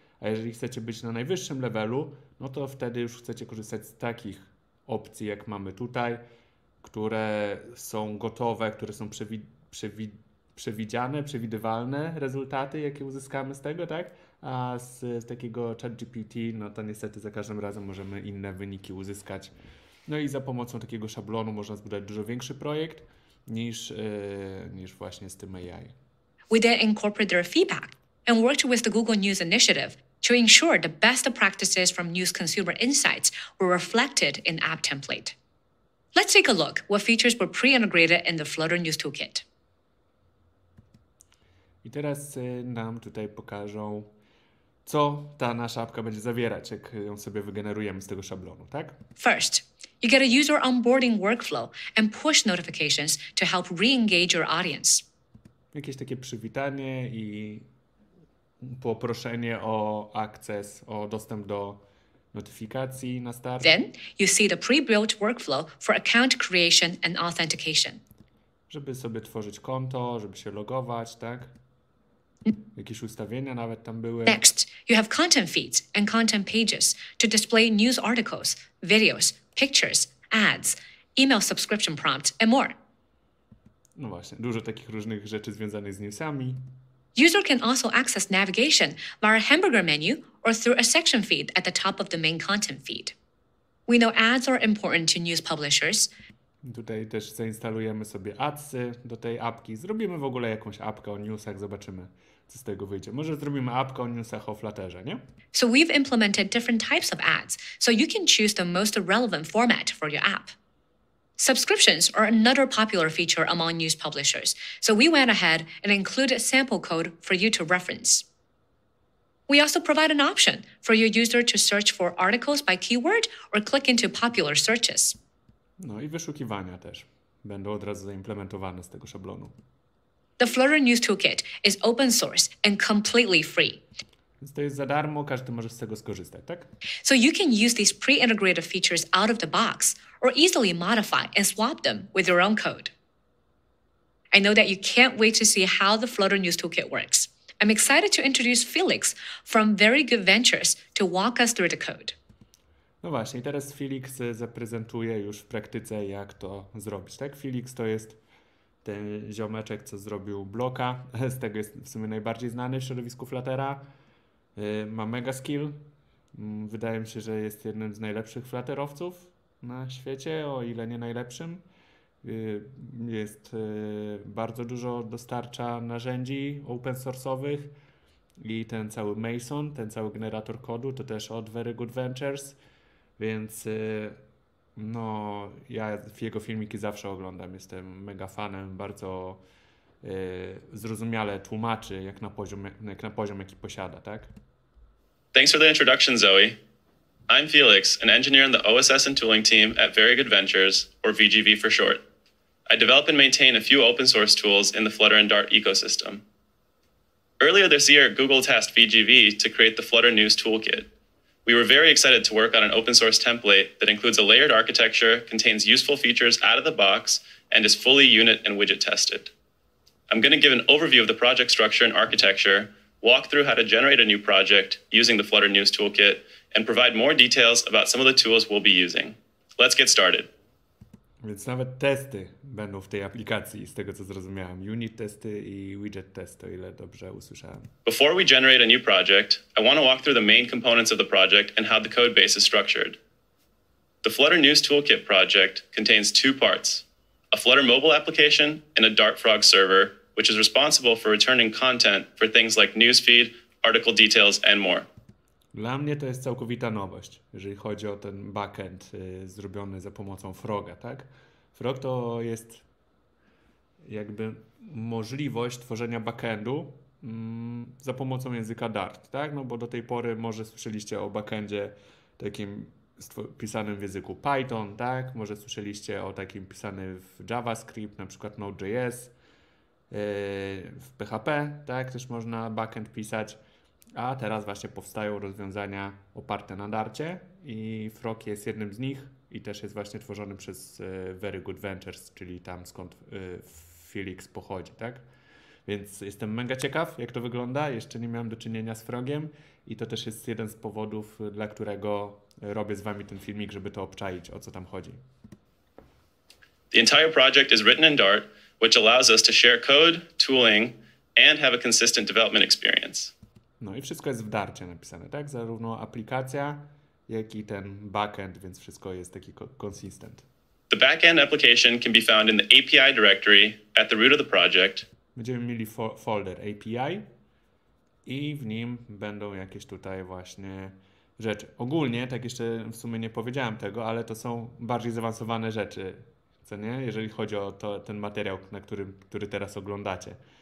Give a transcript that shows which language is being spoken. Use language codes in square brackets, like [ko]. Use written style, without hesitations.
[pl] A jeżeli chcecie być na najwyższym levelu, no to wtedy już chcecie korzystać z takich opcji, jak mamy tutaj, które są gotowe, które są przewidziane, przewidywalne rezultaty, jakie uzyskamy z tego, tak? A z takiego ChatGPT, no to niestety za każdym razem możemy inne wyniki uzyskać. No i za pomocą takiego szablonu można zbudować dużo większy projekt niż właśnie z tym AI. [en] We then incorporated their feedback and worked with the Google News Initiative to ensure the best practices from News Consumer Insights were reflected in app template. Let's take a look what features were pre-integrated in the Flutter News Toolkit. [pl] I teraz nam tutaj pokażą, co ta nasza apka będzie zawierać, jak ją sobie wygenerujemy z tego szablonu, tak? [en] First, you get a user onboarding workflow and push notifications to help re-engage your audience. [pl] Jakieś takie przywitanie i poproszenie o akces, o dostęp do notyfikacji na start. [en] Then you see the pre-built workflow for account creation and authentication. [pl] Żeby sobie tworzyć konto, żeby się logować, tak? Jakieś ustawienia nawet tam były. [en] Next, you have content feeds and content pages to display news articles, videos, pictures, ads, email subscription prompts, and more. [pl] No właśnie, dużo takich różnych rzeczy związanych z newsami. [en] User can also access navigation via a hamburger menu or through a section feed at the top of the main content feed. We know ads are important to news publishers. [pl] Tutaj też zainstalujemy sobie adsy do tej apki. Zrobimy w ogóle jakąś apkę o newsach, zobaczymy, co z tego wyjdzie. Może zrobimy apkę o newsach o Flutterze, nie? [en] So we've implemented different types of ads, so you can choose the most relevant format for your app. Subscriptions are another popular feature among news publishers, so we went ahead and included a sample code for you to reference. We also provide an option for your user to search for articles by keyword or click into popular searches. [pl] No i wyszukiwania też będą od razu zaimplementowane z tego szablonu. [en] The Flutter News Toolkit is open source and completely free. [pl] Więc to jest za darmo, każdy może z tego skorzystać, tak? [en] So you can use these pre-integrated features out of the box or easily modify and swap them with your own code. I know that you can't wait to see how the Flutter News Toolkit works. I'm excited to introduce Felix from Very Good Ventures to walk us through the code. [pl] No właśnie, teraz Felix zaprezentuje już w praktyce, jak to zrobić, tak? Felix to jest ten ziomeczek, co zrobił bloka, z tego jest w sumie najbardziej znany w środowisku Fluttera. Ma mega skill, wydaje mi się, że jest jednym z najlepszych flutterowców na świecie, o ile nie najlepszym. Jest bardzo dużo dostarcza narzędzi open source'owych i ten cały Mason, ten cały generator kodu, to też od Very Good Ventures. Więc no, ja jego filmiki zawsze oglądam, jestem mega fanem, bardzo zrozumiale tłumaczy, jak na poziom, jaki posiada, tak? [en] Thanks for the introduction, Zoe. I'm Felix, an engineer in the OSS and tooling team at Very Good Ventures, or VGV for short. I develop and maintain a few open source tools in the Flutter and Dart ecosystem. Earlier this year, Google tasked VGV to create the Flutter News Toolkit. We were very excited to work on an open source template that includes a layered architecture, contains useful features out of the box, and is fully unit and widget tested. I'm going to give an overview of the project structure and architecture, walk through how to generate a new project using the Flutter News Toolkit, and provide more details about some of the tools we'll be using. Let's get started. [pl] Więc nawet testy będą w tej aplikacji, z tego co zrozumiałem. Unit testy i widget testy, o ile dobrze usłyszałem. [en] Before we generate a new project, I want to walk through the main components of the project and how the code base is structured. The Flutter News Toolkit project contains two parts, a Flutter mobile application and a Dart Frog server, which is responsible for returning content for things like newsfeed, article details, and more. [pl] Dla mnie to jest całkowita nowość, jeżeli chodzi o ten backend zrobiony za pomocą Froga, tak? Frog to jest jakby możliwość tworzenia backendu za pomocą języka Dart, tak? No bo do tej pory może słyszeliście o backendzie takim pisanym w języku Python, tak? Może słyszeliście o takim pisanym w JavaScript, na przykład Node.js, w PHP, tak? Też można backend pisać. A teraz właśnie powstają rozwiązania oparte na Darcie i Frog jest jednym z nich i też jest właśnie tworzony przez Very Good Ventures, czyli tam skąd Felix pochodzi, tak? Więc jestem mega ciekaw, jak to wygląda. Jeszcze nie miałem do czynienia z Frogiem i to też jest jeden z powodów, dla którego robię z wami ten filmik, żeby to obczaić, o co tam chodzi. [en] The entire project is written in Dart, which allows us to share code, tooling and have a consistent development experience. [pl] No i wszystko jest w Darcie napisane, tak? Zarówno aplikacja, jak i ten backend, więc wszystko jest taki consistent. The backend application can be found in the API directory at the root of the project. Będziemy mieli folder API i w nim będą jakieś tutaj właśnie rzeczy. Ogólnie, tak jeszcze w sumie nie powiedziałem tego, ale to są bardziej zaawansowane rzeczy, co nie? Jeżeli chodzi o to, ten materiał, który teraz oglądacie.